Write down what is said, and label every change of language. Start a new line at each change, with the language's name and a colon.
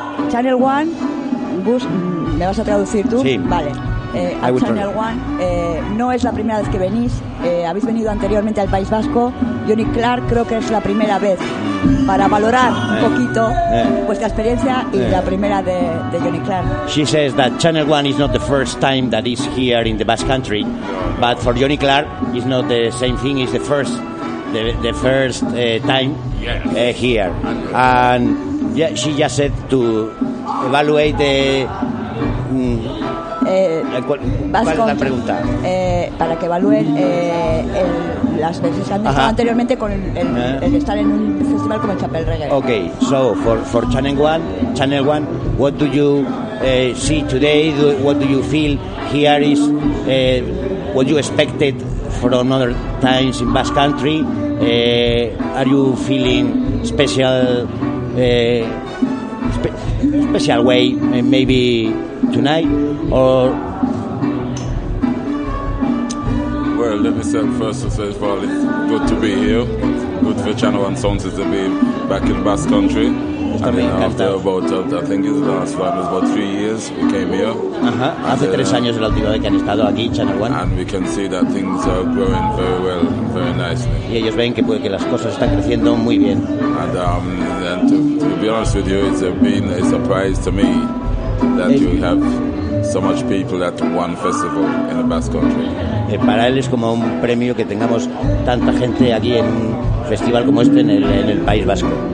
Spanish: Channel One, Gus, ¿me vas a traducir tú? Sí. Vale. A Channel One, no es la primera vez que venís, habéis venido anteriormente al País Vasco. Johnny Clark, creo que es la primera vez, para valorar un poquito vuestra experiencia y la primera de Johnny Clark.
English: She says that Channel One is not the first time that is here in the Basque Country, but for Johnny Clark it's not the same thing, it's the first, the first time here. And yeah, she just said to evaluate the
Spanish: ¿cuál es la pregunta? Para que evalúen las veces que han estado anteriormente con el estar en un festival como el Chapel Reggae.
English: Okay, so for Channel One, what do you see today? What do you feel here is what you expected from other times in Basque Country? Are you feeling special? Special way, maybe tonight, or well, let me say first and say, well, it's good to be here. Good for Channel One Sound to be back in Basque Country. And then after about, I think it's the last one, it's about 3 years we came here.
Spanish: Hace tres años la última vez que han estado aquí, Channel One.
English: And we can see that things are growing very well, very nicely.
Spanish: Y ellos ven que puede que las cosas están creciendo muy bien.
English: And then to be honest with you, it's been a surprise to me that you have so much people at one festival in the Basque Country.
Spanish: Para él es como un premio que tengamos tanta gente aquí en un festival como este en el País Vasco.